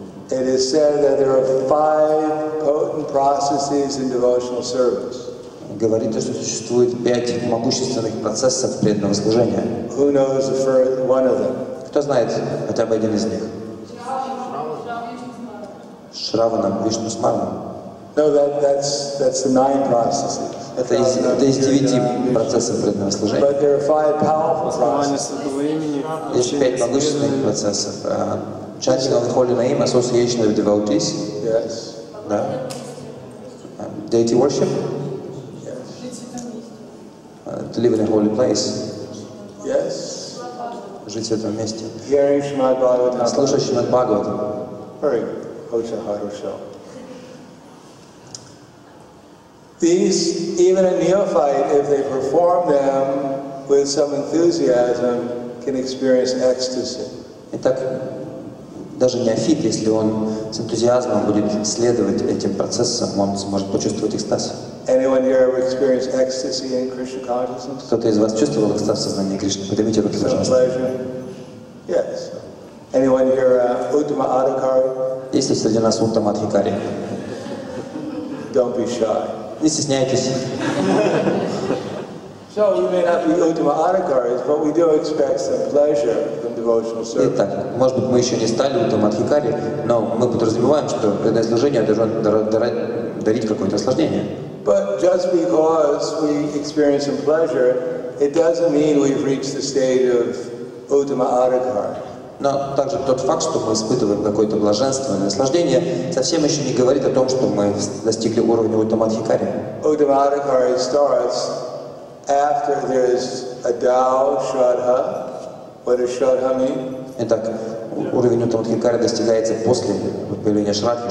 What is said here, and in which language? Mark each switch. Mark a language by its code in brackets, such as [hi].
[en] It is said that there are five potent processes in devotional service. [ru] Говорится, что существует пять могущественных процессов преданного служения. [en] Who knows the first one of them? [ru] Кто знает хотя бы один из них? [sa] Шравана, Вишну Смарана. [en] No, that's the nine processes. [ru] Это из девяти процессов преданного служения. [en] But there are five powerful processes. [ru] Есть пять могущественных процессов. [en] Chanting of the Holy Name, Association of Devotees. Yes. [ru] Да. [en] Deity Worship. Yes. To live in a holy place. Yes. [ru] Жить в этом месте. [en] Hearing Shrimad Bhagavatam. [ru] Слушать Shrimad Bhagavatam. [en] Very good. Hocha Harusha. These, even a neophyte, if they perform them with some enthusiasm, can experience ecstasy. [ru] Итак, даже неофит, если он с энтузиазмом будет следовать этим процессам, он сможет почувствовать экстаз. [en] Anyone here ever experienced ecstasy in Krishna consciousness? [ru] Кто-то из вас чувствовал экстаз в сознании Кришны? Поднимите руки, пожалуйста. [en] Yes. Anyone here Uttama Adhikari? [ru] Есть ли среди нас Уттама Адхикари? [en] Don't be shy. [ru] Не стесняйтесь. [en] So we may not be Uttama Adhikaris, but we do expect some pleasure from devotional service. [ru] Итак, может быть, мы еще не стали Уттама Адхикари, но мы подразумеваем, что преданное служение должно дарить какое-то наслаждение. [en] But just because we experience some pleasure, it doesn't mean we've reached the state of Uttama Adhikari. [ru] Но также тот факт, что мы испытываем какое-то блаженство или наслаждение, совсем еще не говорит о том, что мы достигли уровня Уттама Адхикари. [en] Уттама Адхикари starts after there is a Dao Shraddha. What does Shraddha mean? [ru] Итак, уровень Уттама Адхикари достигается после появления Шраддхи.